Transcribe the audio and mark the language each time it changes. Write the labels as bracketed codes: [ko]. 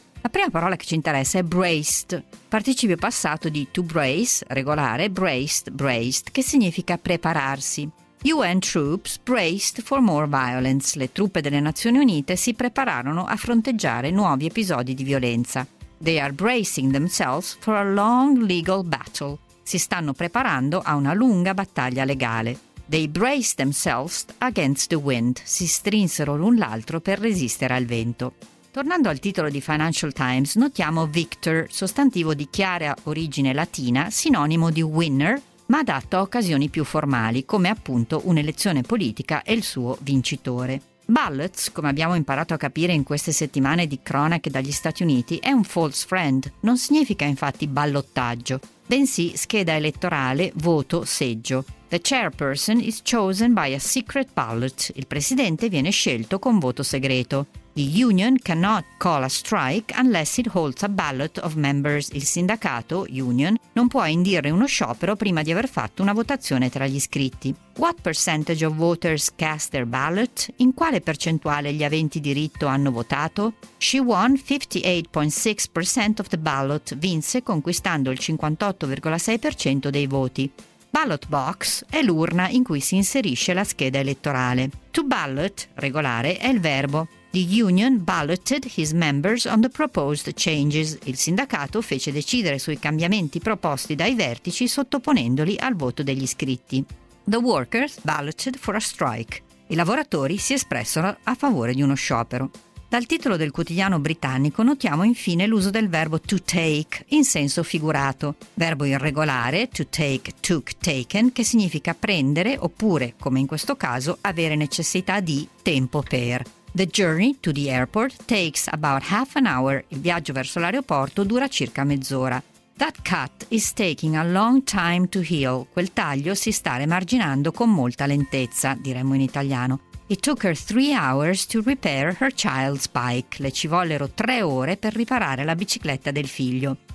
[it] La prima parola che ci interessa è braced, participio passato di to brace, regolare, braced, che significa prepararsi. [en] UN troops braced for more violence. [it] Le truppe delle Nazioni Unite si prepararono a fronteggiare nuovi episodi di violenza. [en] They are bracing themselves for a long legal battle. [it] Si stanno preparando a una lunga battaglia legale. [en] They braced themselves against the wind. [it] Si strinsero l'un l'altro per resistere al vento. Tornando al titolo di Financial Times, notiamo victor, sostantivo di chiara origine latina, sinonimo di winner, ma adatto a occasioni più formali, come appunto un'elezione politica e il suo vincitore. Ballots, come abbiamo imparato a capire in queste settimane di cronache dagli Stati Uniti, è un false friend, non significa infatti ballottaggio, bensì scheda elettorale, voto, seggio. [en] The chairperson is chosen by a secret ballot. [it] Il presidente viene scelto con voto segreto. [en] The union cannot call a strike unless it holds a ballot of members. [it] Il sindacato, union, non può indire uno sciopero prima di aver fatto una votazione tra gli iscritti. [en] What percentage of voters cast their ballot? [it] In quale percentuale gli aventi diritto hanno votato? [en] She won 58.6% of the ballot, [it] vinse conquistando il 58.6% dei voti. Ballot box è l'urna in cui si inserisce la scheda elettorale. To ballot, regolare, è il verbo. [en] The union balloted his members on the proposed changes. [it] Il sindacato fece decidere sui cambiamenti proposti dai vertici sottoponendoli al voto degli iscritti. [en] The workers balloted for a strike. [it] I lavoratori si espressero a favore di uno sciopero. Dal titolo del quotidiano britannico notiamo infine l'uso del verbo to take in senso figurato, verbo irregolare to take, took, taken, che significa prendere oppure, come in questo caso, avere necessità di tempo per. [en] The journey to the airport takes about half an hour. [it] Il viaggio verso l'aeroporto dura circa mezz'ora. [en] That cut is taking a long time to heal. [it] Quel taglio si sta remarginando con molta lentezza, diremmo in italiano. [en] It took her 3 hours to repair her child's bike. [it] Le ci vollero 3 ore per riparare la bicicletta del figlio.